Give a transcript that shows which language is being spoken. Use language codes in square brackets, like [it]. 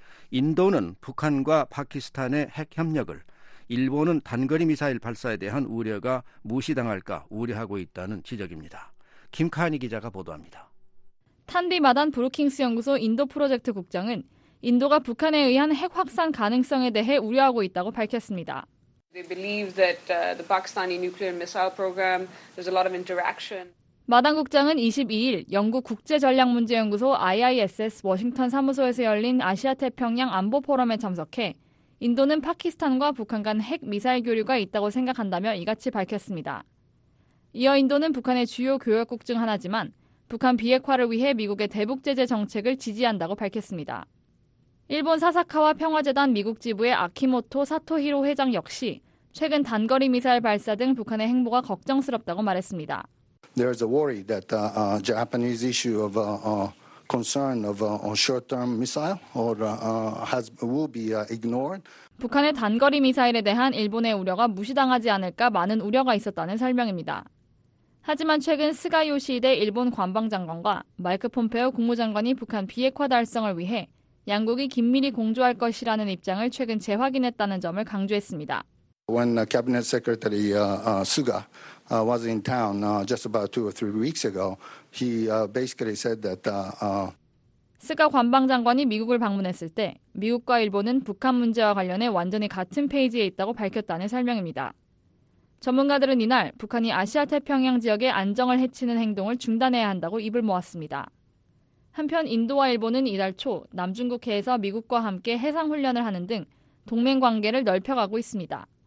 [ko] 인도는 북한과 파키스탄의 핵협력을, 일본은 단거리 미사일 발사에 대한 우려가 무시당할까 우려하고 있다는 지적입니다. 김카니 기자가 보도합니다. 탄비 마단 브루킹스 연구소 인도 프로젝트 국장은 인도가 북한에 의한 핵 확산 가능성에 대해 우려하고 있다고 밝혔습니다. [en] They believe that the Pakistani nuclear missile program there's a lot of interaction. [ko] 마단 국장은 22일 영국 국제 전략 문제 연구소 IISS 워싱턴 사무소에서 열린 아시아 태평양 안보 포럼에 참석해 인도는 파키스탄과 북한 간 핵 미사일 교류가 있다고 생각한다며 이같이 밝혔습니다. 이어 인도는 북한의 주요 교역국 중 하나지만 북한 비핵화를 위해 미국의 대북 제재 정책을 지지한다고 밝혔습니다. 일본 사사카와 평화재단 미국 지부의 아키모토 사토히로 회장 역시 최근 단거리 미사일 발사 등 북한의 행보가 걱정스럽다고 말했습니다. [en] There is a worry that Japanese issue of concern of short-term missile or has will be ignored. [ko] 북한의 단거리 미사일에 대한 일본의 우려가 무시당하지 않을까 많은 우려가 있었다는 설명입니다. 하지만 최근 스가 요시히데 일본 관방장관과 마이크 폼페오 국무장관이 북한 비핵화 달성을 위해 양국이 긴밀히 공조할 것이라는 입장을 최근 재확인했다는 점을 강조했습니다. [en] When the cabinet secretary Suga was in town just about two or three weeks ago, he basically said that [ko] 스가 관방장관이 미국을 방문했을 때 미국과 일본은 북한 문제와 관련해 완전히 같은 페이지에 있다고 밝혔다는 설명입니다. 전문가들은 이날 북한이 아시아 태평양 지역의 안정을 해치는 행동을 중단해야 한다고 입을 모았습니다. 한편 인도와 일본은 이달 초 남중국해에서 미국과 함께 해상훈련을 하는 등 동맹관계를 넓혀가고 있습니다.